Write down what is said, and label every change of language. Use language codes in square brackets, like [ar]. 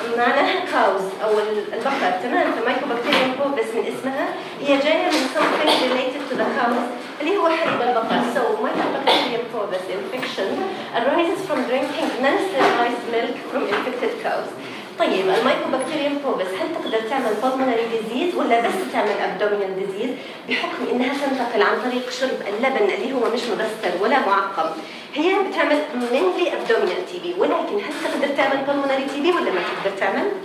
[ar] معناها كاوز أو البقر، تمام؟ فمايكوبكتيريوم فوبس من اسمها هي جاية من [en] something related to the cows [ar] اللي هو حليب البقر. [en] So mycobacterium fobis infection arises from drinking non-sterilized milk from infected cows. [ar] طيب المايكوبكتيريوم فوبس هل تقدر تعمل pulmonary disease ولا بس تعمل abdominal disease بحكم انها تنتقل عن طريق شرب اللبن اللي هو مش مبستر ولا معقم؟ هي بتعمل mainly abdominal TB، ولكن هل تقدر تعمل pulmonary TB ولا ما تقدر تعمل؟